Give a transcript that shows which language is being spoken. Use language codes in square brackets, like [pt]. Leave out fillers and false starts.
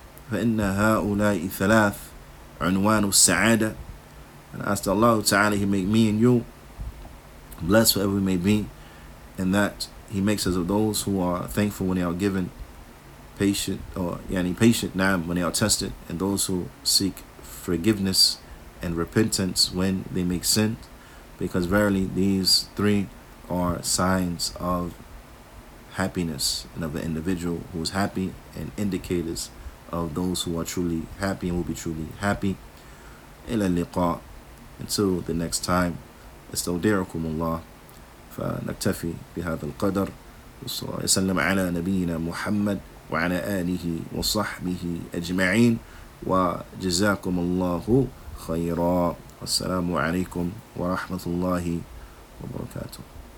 [ar] فإن هؤلاء ثلاث عنوان السعادة. [en] And I ask Allah Ta'ala, He make me and you blessed wherever we may be, and that He makes us of those who are thankful when they are given, patient now when they are tested, and those who seek forgiveness and repentance when they make sin, because verily these three are signs of happiness and of an individual who is happy, and indicators of those who are truly happy and will be truly happy. [ar] إلى اللقاء. [en] Until the next time. [ar] استودعكم الله فنكتفي بهذا القدر. وسلم على نبينا محمد وعلى آله وصحبه أجمعين. وجزاكم الله خيرا. والسلام عليكم ورحمة الله وبركاته.